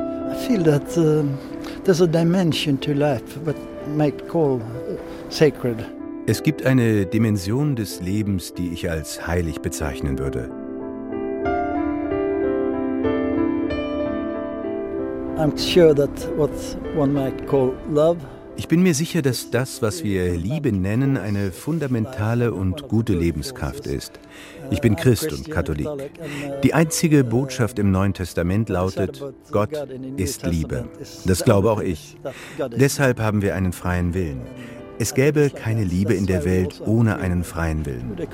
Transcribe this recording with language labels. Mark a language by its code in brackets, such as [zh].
[en] I feel that there's a dimension to life, what might call sacred. [de] Es gibt eine Dimension des Lebens, die ich als heilig bezeichnen würde. [en] I'm sure that what one might call love. [de] Ich bin mir sicher, dass das, was wir Liebe nennen, eine fundamentale und gute Lebenskraft ist. Ich bin Christ und Katholik. Die einzige Botschaft im Neuen Testament lautet, Gott ist Liebe. Das glaube auch ich. Deshalb haben wir einen freien Willen. Es gäbe keine Liebe in der Welt ohne einen freien Willen.